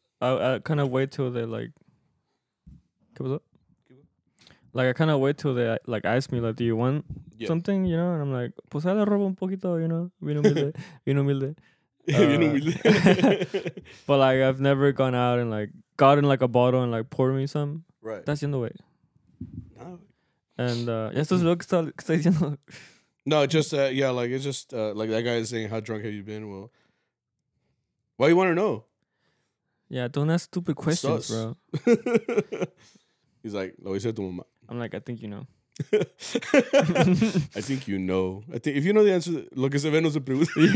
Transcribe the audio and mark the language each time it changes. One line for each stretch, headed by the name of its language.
English: I kind of wait till they, like, like, I kind of wait till they, like, ask me, like, do you want something, you know? And I'm like,
Spanish: pues, le robo un poquito,
English: you know?
Spanish: Bien humilde. Bien humilde. Bien humilde.
English: But, like, I've never gone out and, like, gotten, like, a bottle and, like, poured me some. Right. That's in the way. No.
Spanish: And, esto es lo que está diciendo.
English: No, just, yeah, like, it's just, like, that guy is saying, how drunk have you been? Well, why do you want to know? Yeah, don't ask stupid questions, sus, bro. He's like,
Spanish: lo hice a tu mamá.
English: I'm like, I think you know. I think you know. I think if you know the answer,
Spanish: lo que se ve no se pregunta.